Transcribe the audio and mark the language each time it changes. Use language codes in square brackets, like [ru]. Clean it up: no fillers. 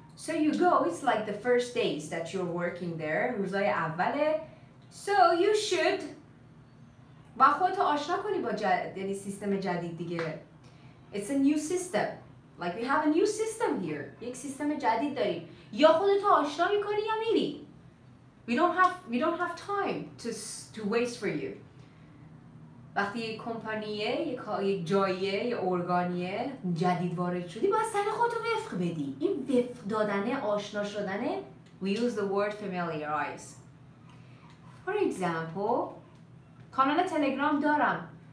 [en] So you go, it's like the first days that you're working there، [fa] روزای اوله. [en] So you should [fa] با خودتو آشنا کنی با یعنی سیستم جدید دیگه. [en] It's a new system. Like we have a new system here. [fa] یک سیستم جدید داریم. یا خودتو آشنا میکنی یا میری. [en] We don't have time to waste for you. [fa] وقتی یک کمپانیه، یک جاییه، یک ارگانیه جدید وارد شدی، باید سر خودتو وفق بدی. این وفق دادنه، آشنا شدنه. [en] We use the word familiarize. For example، [fa] کانال تلگرام دارم.